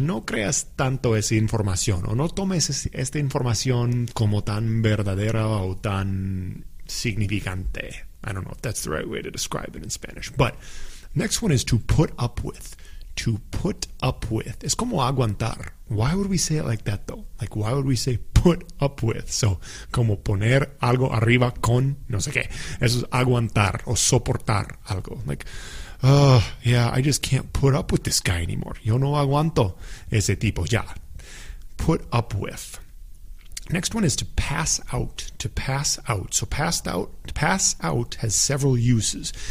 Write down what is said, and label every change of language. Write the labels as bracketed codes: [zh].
[es] No creas tanto esa información. O no tomes esta información como tan verdadera o tan significante. [en] I don't know if that's the right way to describe it in Spanish. But next one is to put up with. To put up with. [es] Es como aguantar. [en] Why would we say it like that, though? Like, why would we say put up with? [es] So, como poner algo arriba con no sé qué. Eso es aguantar o soportar algo. [en] Like, I just can't put up with this guy anymore. [es] Yo no aguanto ese tipo ya. Put up with. [en] Next one is to pass out. To pass out. So passed out. To pass out has several uses.